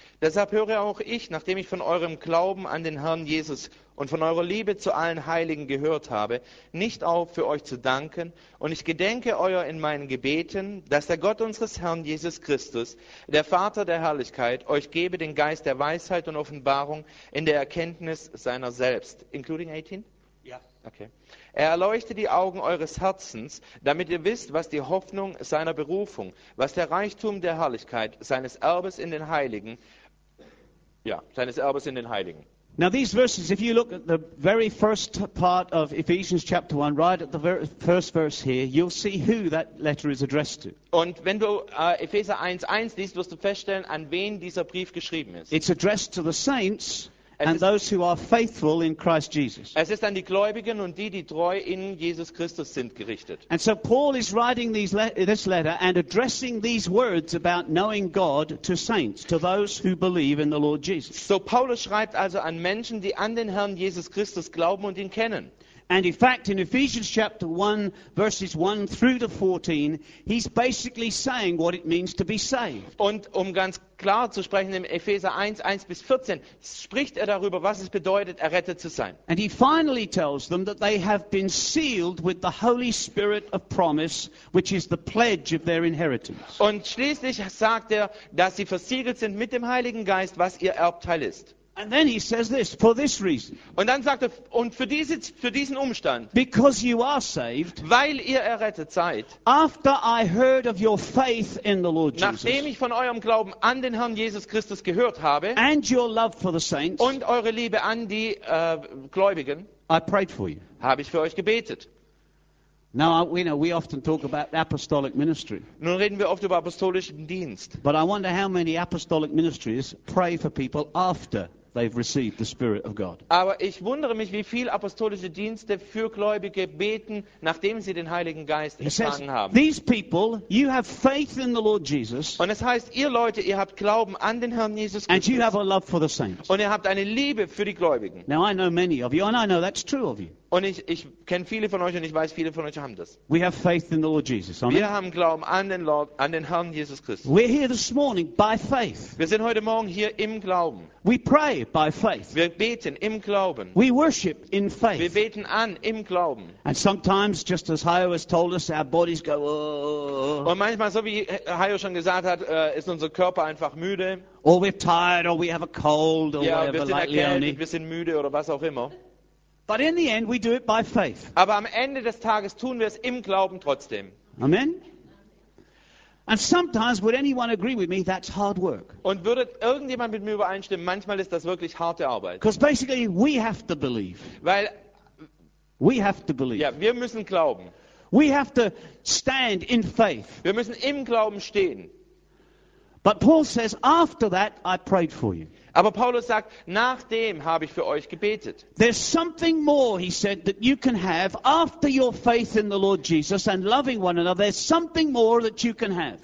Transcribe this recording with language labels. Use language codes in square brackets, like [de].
[de] Deshalb höre auch ich, nachdem ich von eurem Glauben an den Herrn Jesus und von eurer Liebe zu allen Heiligen gehört habe, nicht auf, für euch zu danken, und ich gedenke euer in meinen Gebeten, dass der Gott unseres Herrn Jesus Christus, der Vater der Herrlichkeit, euch gebe den Geist der Weisheit und Offenbarung in der Erkenntnis seiner selbst. [en] Including 18? Okay. [de] Er erleuchte die Augen eures Herzens, damit ihr wisst, was die Hoffnung seiner Berufung, was der Reichtum der Herrlichkeit seines Erbes in den Heiligen. Ja, seines Erbes in den Heiligen. [en] Now these verses, if you look at the very first part of Ephesians chapter 1, right at the very first verse here, you'll see who that letter is addressed to. [de] Und wenn du Epheser 1:1 liest, wirst du feststellen, an wen dieser Brief geschrieben ist. [en] It's addressed to the saints. And those who are faithful in Christ Jesus. [de] Es ist an die Gläubigen und die treu in Jesus Christus sind gerichtet. [en] And so Paul is writing this letter and addressing these words about knowing God to saints, to those who believe in the Lord Jesus. [de] So Paulus schreibt also an Menschen, die an den Herrn Jesus Christus glauben und ihn kennen. [en] And in fact, in Ephesians chapter 1, verses 1 through to 14, he's basically saying what it means to be saved. [de] Und um ganz klar zu sprechen, in Epheser 1, 1 bis 14, spricht er darüber, was es bedeutet, errettet zu sein. [en] And he finally tells them that they have been sealed with the Holy Spirit of promise, which is the pledge of their inheritance. [de] Und schließlich sagt er, dass sie versiegelt sind mit dem Heiligen Geist, was ihr Erbteil ist. [en] And then he says this, for this reason. [de] Und dann sagt er, und für diesen Umstand. [en] Because you are saved. [de] Weil ihr errettet seid. [en] After I heard of your faith in the Lord Jesus. [de] Nachdem ich von eurem Glauben an den Herrn Jesus Christus gehört habe. [en] And your love for the saints. [de] Und eure Liebe an die Gläubigen. [en] I prayed for you. [de] Habe ich für euch gebetet. [en] Now we know we often talk about apostolic ministry. [de] Nun reden wir oft über apostolischen Dienst. [en] But I wonder how many apostolic ministries pray for people after they've received the Spirit of God. [de] Aber ich wundere mich, wie viel apostolische Dienste für Gläubige beten, nachdem sie den Heiligen Geist empfangen haben. [en] These people, you have faith in the Lord Jesus. [de] Und es heißt, ihr Leute, ihr habt Glauben an den Herrn Jesus Christus. [en] And you have a love for the saints. [de] Und ihr habt eine Liebe für die Gläubigen. [en] Now I know many of you, and I know that's true of you. [de] Und ich kenne viele von euch und ich weiß, viele von euch haben das. [en] We have faith in the Lord Jesus. [de] Wir haben Glauben an den Lord, an den Herrn Jesus Christus. [en] We're here this morning by faith. [de] Wir sind heute Morgen hier im Glauben. [en] We pray by faith. [de] Wir beten im Glauben. [en] We worship in faith. [de] Wir beten an im Glauben. [en] And sometimes, just as Hayo has told us, our bodies go. Oh. [de] Und manchmal, so wie Hayo schon gesagt hat, ist unser Körper einfach müde. [en] Or we're tired, or we have a cold, or [de] ja, [en] whatever. [de] Wir sind erkältet, wir sind müde oder was auch immer. [en] But in the end, we do it by faith. [de] Aber am Ende des Tages tun wir es im Glauben trotzdem. [en] Amen. And sometimes, would anyone agree with me? That's hard work. [de] Und würde irgendjemand mit mir übereinstimmen? Manchmal ist das wirklich harte Arbeit. [en] Because basically, we have to believe. [de] Weil [en] we have to believe. [de] Ja, wir müssen glauben. [en] We have to stand in faith. [de] Wir müssen im Glauben stehen. [en] But Paul says, after that, I prayed for you. [de] Aber Paulus sagt, nachdem habe ich für euch gebetet. [en] There's something more, he said, that you can have after your faith in the Lord Jesus and loving one another. There's something more that you can have.